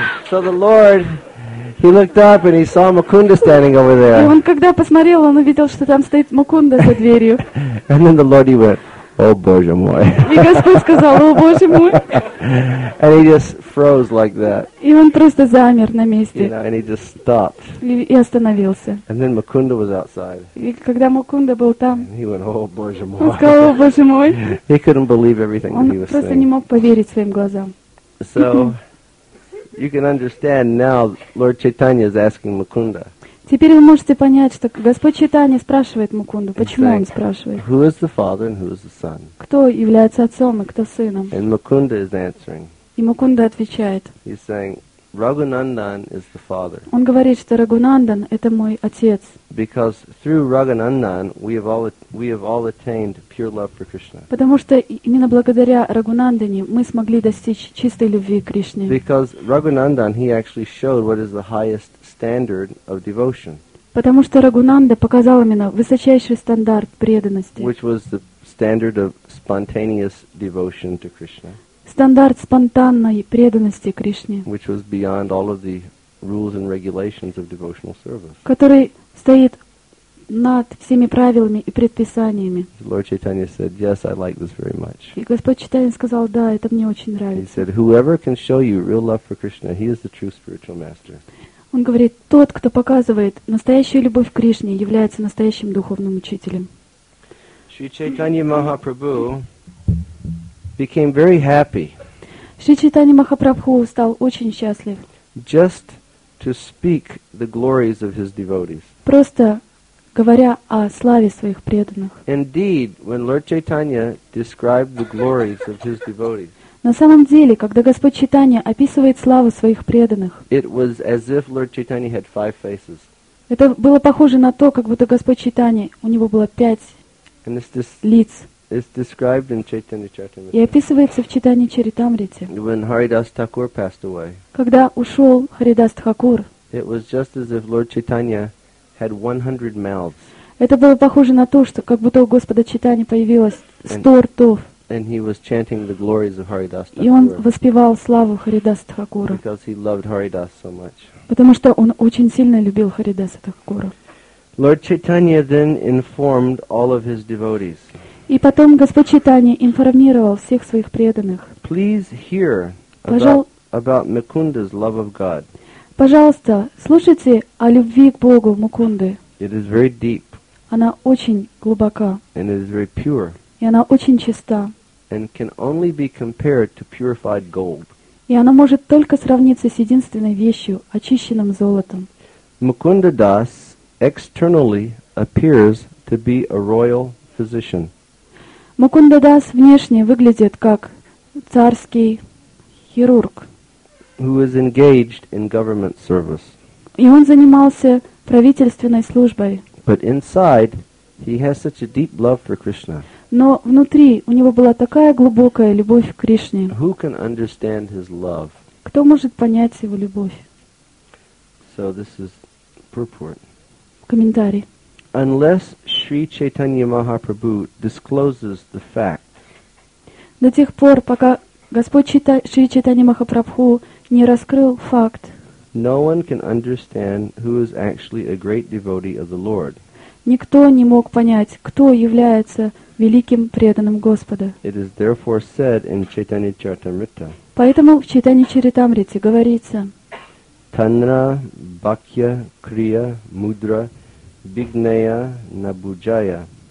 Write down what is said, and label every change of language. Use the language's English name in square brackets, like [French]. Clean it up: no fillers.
[English] So the Lord, he looked up and he saw Mukunda standing over there. [Russian] И он когда посмотрел, он увидел, что там стоит Мукунда за дверью. [English] And then the Lord, he went, "Oh, [Russian] Боже мой!" И Господь сказал: "О, Боже мой!" [English] And he just froze like that. [Russian] И он просто замер на месте. [English] You know, and he just stopped. [Russian] И остановился. [English] And then Mukunda was outside. [Russian] И когда Мукунда был там, [English] he went, "Oh, [Russian] Боже мой!" Он сказал: "О, Боже мой!" [English] He couldn't believe everything [Russian] он [English] that he was [Russian] просто [English] saying. [Russian] Не мог поверить своим глазам. [English] So, you can understand now, Lord Chaitanya is asking Mukunda. [Russian] Теперь вы можете понять, что Господь Чайтанья спрашивает Мукунду, почему он спрашивает. [English] Who is the father and who is the son? [Russian] Кто является отцом и кто сыном? [English] And Mukunda is answering. [Russian] И Мукунда отвечает. [English] He's saying, Рагунандан is the father. [Russian] Он говорит, что Рагунандан — это мой отец. [English] Because through Рагунандан, we have all attained pure love for Krishna. [Russian] Потому что именно благодаря Рагунандане мы смогли достичь чистой любви к Кришне. [English] Because Рагунандан, he actually showed what is the highest standard of devotion. [Russian] Потому что Рагунанда показал именно высочайший стандарт преданности. [English] Which was the standard of spontaneous devotion to Krishna. [Russian] Стандарт спонтанной преданности Кришне, [English] which was beyond all of the rules and regulations of devotional service. [Russian] Который стоит над всеми правилами и предписаниями. [English] Lord Chaitanya said, "Yes, I like this very much." [Russian] И Господь Чайтанья сказал: "Да, это мне очень нравится." [English] He said, "Whoever can show you real love for Krishna, he is the true spiritual master." [Russian] Он говорит: "Тот, кто показывает настоящую любовь к Кришне, является настоящим духовным учителем." [English] Shri Chaitanya Mahaprabhu became very happy. [Russian] Шри Чайтанья Махапрабху стал очень счастлив. [English] Just to speak the glories of his devotees. [Russian] Просто говоря о славе своих преданных. [English] Indeed, when Lord Chaitanya described the glories of his devotees. [Russian] На самом деле, когда Господь Чайтанья описывает славу своих преданных. [English] It was as if Lord Chaitanya had five faces. [Russian] Это было похоже на то, как будто Господь Чайтанья, у него было пять лиц. [English] It's described in Chaitanya Charitamrita. [Russian] И описывается в Читании Чаритамрите. [English] When Haridas Thakur passed away. [Russian] Когда ушел Харидас Тхакур. [English] It was just as if Lord Chaitanya had 100 mouths. [Russian] Это было похоже на то, что как будто у Господа Чайтаньи появилось 100 ртов. [English] And he was chanting the glories of Haridas Thakur. [Russian] И он воспевал славу Харидас Тхакура. [English] Because he loved Haridas so much. [Russian] Потому что он очень сильно любил Харидаса Тхакура. [English] Lord Chaitanya then informed all of his devotees. [Russian] И потом Господь Чайтанья информировал всех своих преданных. [English] Please hear about Mukunda's love of God. [Russian] Пожалуйста, слушайте о любви к Богу Мукунды. [English] It is very deep. [Russian] Она очень глубока. [English] And it is very pure. [Russian] И она очень чиста. [English] And can only be compared to purified gold. [Russian] И она может только сравниться с единственной вещью, очищенным золотом. [English] Mukunda Das externally appears to be a royal physician. [Russian] Mukunda Das внешне выглядит как царский хирург. [English] Who is engaged in government service. [Russian] И он занимался правительственной службой. [English] But inside, he has such a deep love for Krishna. [Russian] Но внутри у него была такая глубокая любовь к Кришне. [English] Who can understand his love? [Russian] Кто может понять его любовь? [English] So this is purport. [Russian] Комментарий. [English] Unless Sri Chaitanya Mahaprabhu discloses the fact. [Russian] До тех пор, пока Господь Шри Чайтанья Махапрабху не раскрыл факт. [English] No one can understand who is actually a great devotee of the Lord. [Russian] Никто не мог понять, кто является великим преданным Господа. [English] It is therefore said in Chaitanya Charitamrita. [Russian] Поэтому в Чайтанье Чаритамрите говорится. [Bangla] Танра бакья крия мудра бигнея набуджая.